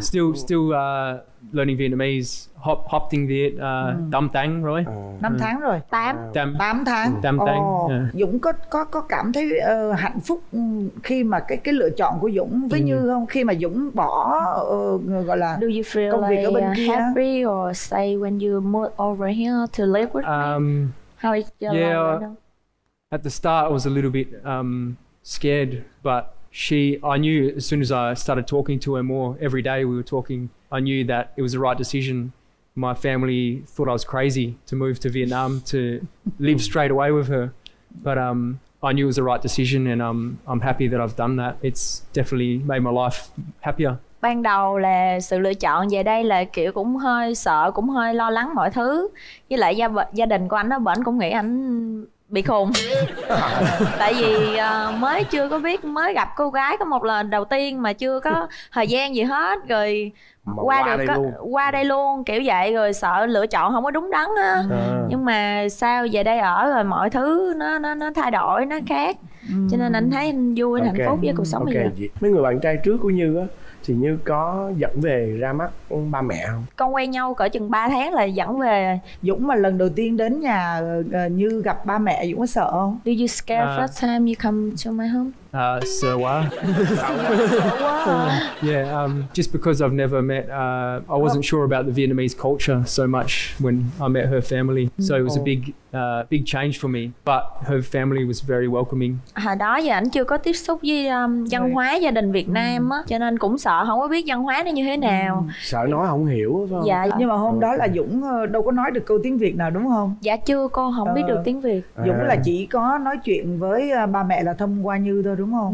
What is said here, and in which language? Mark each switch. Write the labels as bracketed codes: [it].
[en] Still learning Vietnamese, [vi] hop tiếng Việt, tám tháng rồi. Năm tháng rồi. Tám. Tám tháng. Tám tháng. Dũng có cảm thấy hạnh phúc khi mà cái lựa chọn của Dũng với Như không? Khi mà Dũng bỏ gọi là công việc ở bên kia. [en] Do you feel like happy or say when you move over here to live with me? How is your life at the start, I was a little bit scared, but I knew as soon as I started talking to her more every day, we were talking, I knew that it was the right decision. My family thought I was crazy to move to Vietnam to live straight away with her, but I knew it was the right decision, and I'm happy that I've done that. It's definitely made my life happier. [vi] Ban đầu là sự lựa chọn về đây là kiểu cũng hơi sợ, cũng hơi lo lắng mọi thứ, với lại gia đình của anh ở bển cũng nghĩ anh bị khùng. Tại vì mới chưa có biết, mới gặp cô gái có một lần đầu tiên mà chưa có thời gian gì hết, rồi qua đây luôn kiểu vậy, rồi sợ lựa chọn không có đúng đắn á. Nhưng mà sao về đây ở rồi mọi thứ nó thay đổi, nó khác. Cho nên anh thấy anh vui, anh hạnh phúc với cuộc sống bây giờ. Mấy người bạn trai trước của Như á thì Như có dẫn về ra mắt ba mẹ không? Con quen nhau cỡ chừng 3 tháng là dẫn về. Dũng mà lần đầu tiên đến nhà Như gặp ba mẹ, Dũng có sợ không? [en] Do you scare first time you come to my home? [vi] Sợ quá. [en] Yeah, just because I've never met, I wasn't sure about the Vietnamese culture so much when I met her family. So it was a big big change for me, but her family was very welcoming. [vi] Hồi đó giờ anh chưa có tiếp xúc với văn hóa gia đình Việt Nam á, cho nên cũng sợ không có biết văn hóa nó như thế nào. Sợ nói không hiểu phải không? Dạ, nhưng mà hôm đó là Dũng đâu có nói được câu tiếng Việt nào đúng không? Dạ chưa, cô không biết được tiếng Việt. Dũng là chỉ có nói chuyện với ba mẹ là thông qua Như thôi đúng không?